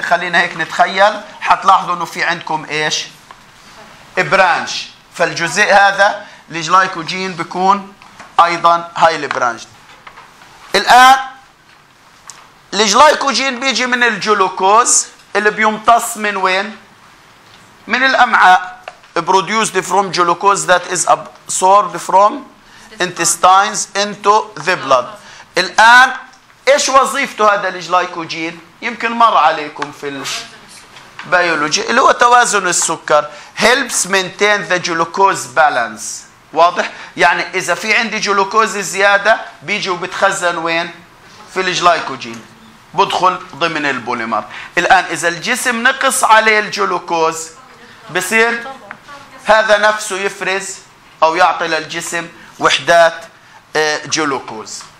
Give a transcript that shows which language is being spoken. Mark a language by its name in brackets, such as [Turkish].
[Arabic] خلينا هيك نتخيل حتلاحظوا انه في عندكم ايش برانش. فالجزء هذا الجلايكوجين بيكون ايضا هايلي برانش. الان الجلايكوجين بيجي من الجلوكوز اللي بيمتص من وين؟ من الامعاء. [English] produced from glucose that is absorbed from intestines into the blood. [Arabic] الان ايش وظيفته هذا الجلايكوجين؟ يمكن مر عليكم في البيولوجي اللي هو توازن السكر. [English] helps maintain the glucose balance. [Arabic] واضح؟ يعني اذا في عندي جلوكوز زياده بيجي وبتخزن وين؟ في الجلايكوجين. بدخل ضمن البوليمر. الآن إذا الجسم نقص عليه الجلوكوز بصير هذا نفسه يفرز أو يعطي للجسم وحدات جلوكوز.